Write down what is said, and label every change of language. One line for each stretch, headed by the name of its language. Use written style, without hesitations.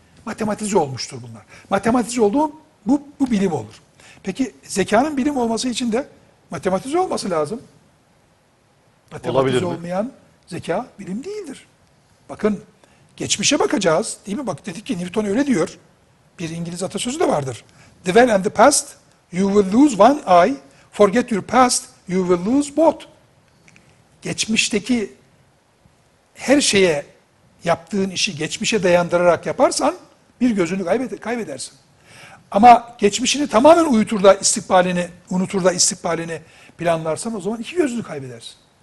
Turkish: Matematize olmuştur bunlar. Matematize olduğu bu bilim olur. Peki zekanın bilim olması için de matematize olması lazım. Matematize olmayan zeka bilim değildir. Bakın geçmişe bakacağız değil mi? Bak dedik ki Newton öyle diyor. Bir İngiliz atasözü de vardır.
English: Dwell on the past, you will lose one eye. Forget your past, you will lose both.
Turkish: Geçmişteki her şeye yaptığın işi geçmişe dayandırarak yaparsan bir gözünü kaybedersin. Ama geçmişini tamamen unutur da istikbalini planlarsan o zaman iki gözünü kaybedersin.